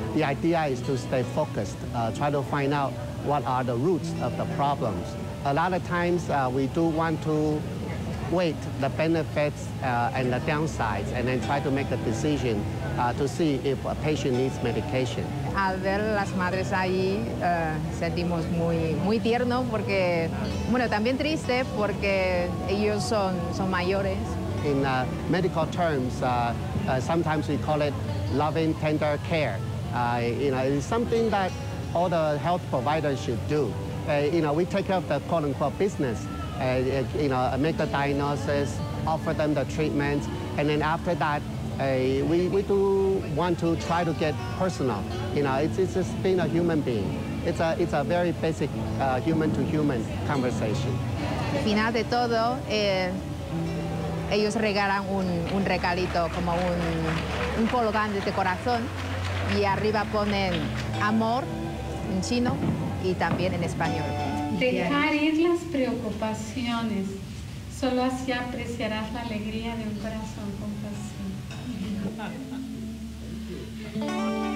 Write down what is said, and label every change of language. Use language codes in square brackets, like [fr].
[en] The idea is to stay focused, try to find out what are the roots of the problems. A lot of times we do want to weigh the benefits and the downsides and then try to make a decision to see if a patient needs medication. [es] Al ver las madres ahí, sentimos muy, muy tierno porque, bueno, también triste porque ellos son mayores. [en] In medical terms, sometimes we call it loving, tender care. It's something that all the health providers should do. We take care of the quote-unquote business, make the diagnosis, offer them the treatment, and then after that, we do want to try to get personal. It's just being a human being. It's a very basic human to human conversation. [es] Final de todo, ellos regalan un regalito como un pulgar de corazón y arriba ponen amor en chino y también en español. Dejar ir las preocupaciones, solo así apreciarás la alegría de un corazón compasivo.